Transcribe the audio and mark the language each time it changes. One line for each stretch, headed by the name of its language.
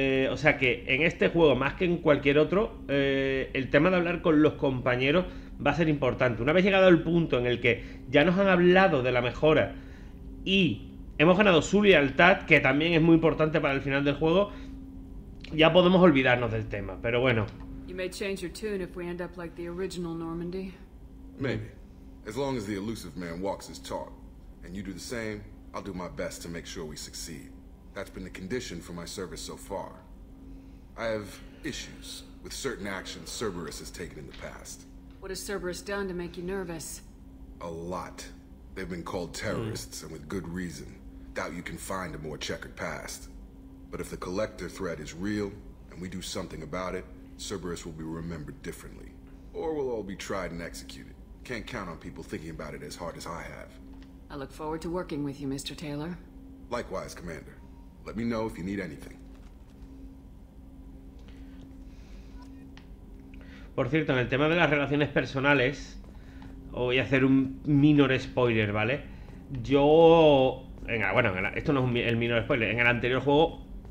Spanish: O sea que en este juego, más que en cualquier otro, el tema de hablar con los compañeros va a ser importante. Una vez llegado el punto en el que ya nos han hablado de la mejora y hemos ganado su lealtad, que también es muy importante para el final del juego, ya podemos olvidarnos del tema, pero bueno.
English: You may change your tune if we end up like the original Normandy. Maybe. As long as the elusive man walks his talk and you do the same, I'll do my best to make sure we succeed. That's been the condition for my service so far. I have issues with certain actions Cerberus has taken in the past. What has Cerberus done to make you nervous? A lot. They've been called terrorists, and with good reason. Doubt you can find a more checkered past. But if the Collector threat is real, and we do something about it, Cerberus will be remembered differently. Or we'll all be tried and executed. Can't count on people thinking about it as hard as I have. I look forward to working with you, Mr. Taylor. Likewise, Commander. Let me know if you need anything.
Spanish: Por cierto, en el tema de las relaciones personales, voy a hacer un minor spoiler, ¿vale? Yo... Venga, bueno, esto no es el minor spoiler. En el anterior juego...